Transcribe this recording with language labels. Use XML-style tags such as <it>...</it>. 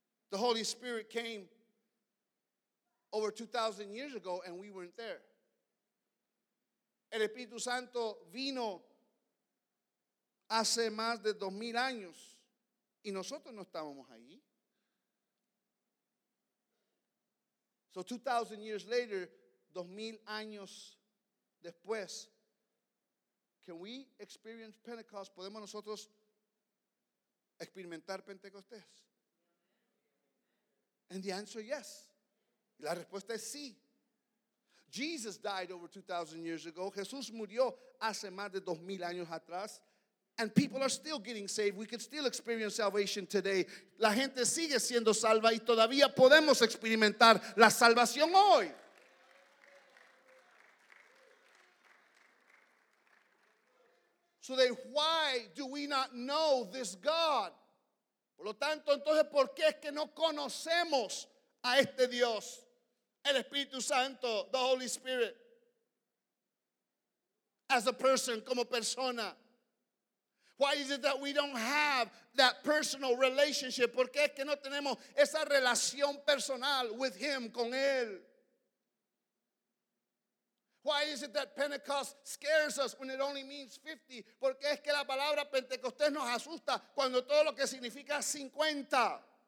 <en>The Holy Spirit came over 2,000 years ago and we weren't there.</en> <es>El Espíritu Santo vino hace más de 2,000 años y nosotros no estábamos allí.</es> <en>So 2,000 years later,</en> <es>2,000 años después,</es> <en>can we experience Pentecost?</en> <es>¿Podemos nosotros experimentar Pentecostés?</es> <en>And the answer, yes.</en> <es>La respuesta es sí.</es> <en>Jesus died over 2,000 years ago.</en> <es>Jesús murió hace más de 2,000 años atrás.</es> <en>And people are still getting saved. We can still experience salvation today.</en> <es>La gente sigue siendo salva y todavía podemos experimentar la salvación hoy.</es> <en>So then why do we not know this God?</en> <es>Por lo tanto, entonces, ¿por qué es que no conocemos a este Dios? El Espíritu Santo, the Holy Spirit.</es> <en>As a person,</en> <es>como persona.</es> <en>Why is it that we don't have that personal relationship?</en> <es>¿Por qué es que no tenemos esa relación personal</es> <en>with him,</en> <es>con él?</es> <en>Why is it that Pentecost scares us when it only means 50?</en> <es>¿Por qué es que la palabra Pentecostés nos asusta cuando todo lo que significa 50?</es>